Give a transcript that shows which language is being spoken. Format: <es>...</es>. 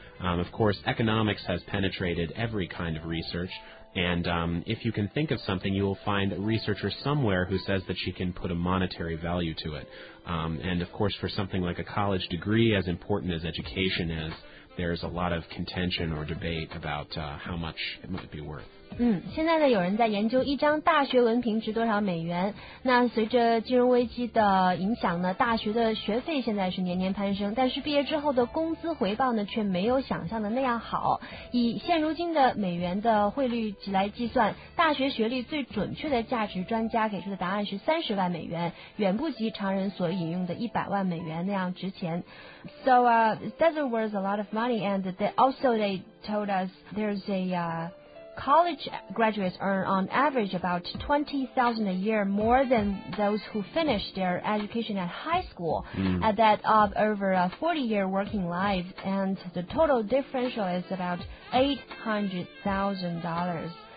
<en>Of course, economics has penetrated every kind of research, and if you can think of something, you will find a researcher somewhere who says that she can put a monetary value to it. And of course, for something like a college degree, as important as education is, there's a lot of contention or debate about how much it might be worth.</en> <zh>现在呢，有人在研究一张大学文凭值多少美元。那随着金融危机的影响呢，大学的学费现在是年年攀升，但是毕业之后的工资回报呢，却没有想象的那样好。以现如今的美元的汇率来计算，大学学历最准确的价值，专家给出的答案是30万美元，远不及常人所引用的100万美元那样值钱。</zh> <en>So it doesn't worth a lot of money, and they also told us there's a college graduates earn on average about $20,000 a year more than those who finish their education at high school, at that of over a 40-year working life, and the total differential is about $800,000.</en>